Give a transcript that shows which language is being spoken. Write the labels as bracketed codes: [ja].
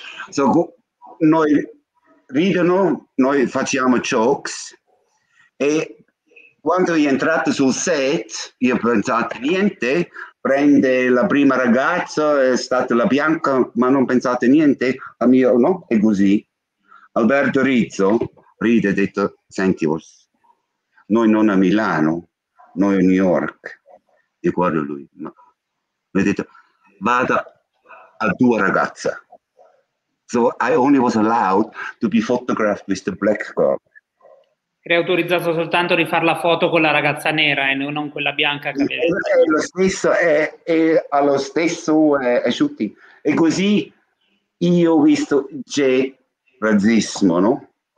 [it] So, noi ridono, noi facciamo jokes, e quando è entrato sul set, io ho pensato, niente, prende la prima ragazza, è stata la bianca, ma non pensate niente, a mio, no? E così. Alberto Rizzo ride, ha detto, senti, noi non a Milano, noi a New York. E guardo lui, ma mi ha detto, vada a tua ragazza. [en] So I only was allowed to be photographed with the black girl. [it] Era autorizzato soltanto a rifare la foto con la ragazza nera e non quella bianca. Che è lo stesso, è allo stesso è shooting. E così io ho visto c'è razzismo, no?